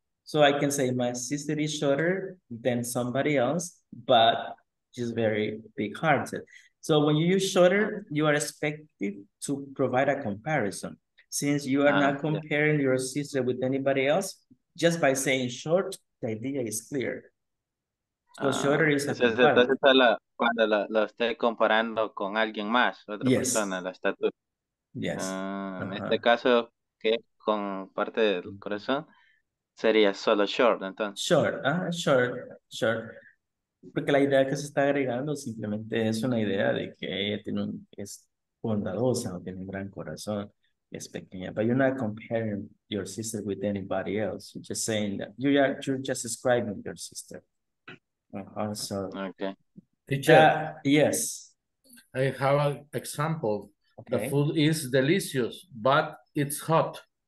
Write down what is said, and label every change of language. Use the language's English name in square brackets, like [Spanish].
[English] So I can say my sister is shorter than somebody else, but she's very big-hearted. So when you use shorter, you are expected to provide a comparison. Since you are not comparing your sister with anybody else, just by saying short, the idea is clear. So shorter is a comparison. [Spanish] Entonces está cuando lo esté comparando con alguien más, otra [English] yes. [Spanish] persona, la estatura. [English] Yes. [Spanish] En este caso, ¿qué? Con parte del corazón. Sería solo short, entonces. [English] Short. [Spanish] Porque la idea que se está agregando simplemente es una idea de que ella tiene un, es bondadosa, o tiene un gran corazón, es pequeña. [English] But you're not comparing your sister with anybody else. You're just saying that. You're just describing your sister. So, okay. Teacher. Yes. I have an example. Okay. The food is delicious, but it's hot.